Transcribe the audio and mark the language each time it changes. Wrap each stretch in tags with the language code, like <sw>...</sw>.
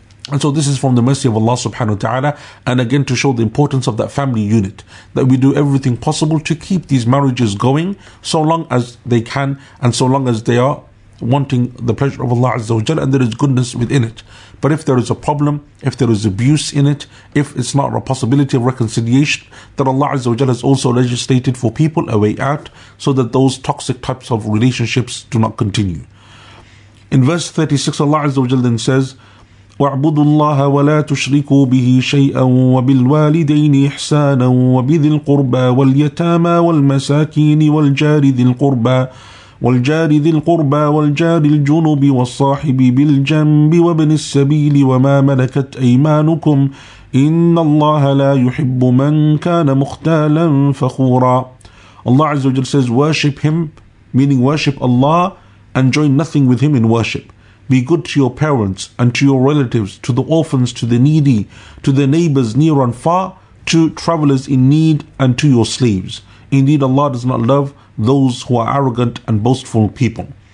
<en>And so this is from the mercy of Allah subhanahu wa ta'ala. And again, to show the importance of that family unit, that we do everything possible to keep these marriages going so long as they can, and so long as they are wanting the pleasure of Allah Azza wa Jalla and there is goodness within it. But if there is a problem, if there is abuse in it, if it's not a possibility of reconciliation, then Allah Azza wa Jalla has also legislated for people a way out so that those toxic types of relationships do not continue. In verse 36, Allah Azza wa Jalla then says,</en> <ar>وَاعْبُدُوا اللَّهَ وَلَا تُشْرِكُوا بِهِ شَيْئًا وَبِالْوَالِدَيْنِ إِحْسَانًا وَبِذِي الْقُرْبَى وَالْيَتَامَى وَالْمَسَاكِينِ وَالْجَارِ ذِي الْقُرْبَى والجار ذي القربى والجار الجنب والصاحب بالجنب وابن السبيل وما ملكت أيمانكم إن الله لا يحب من كان مختالا فخورا.</ar> <en>Allah Azza wa Jalla says, worship him, meaning worship Allah, and join nothing with him in worship. Be good to your parents and to your relatives, to the orphans, to the needy, to the neighbors near and far, to travelers in need and to your slaves. Indeed, Allah does not love those who are arrogant and boastful people.</en>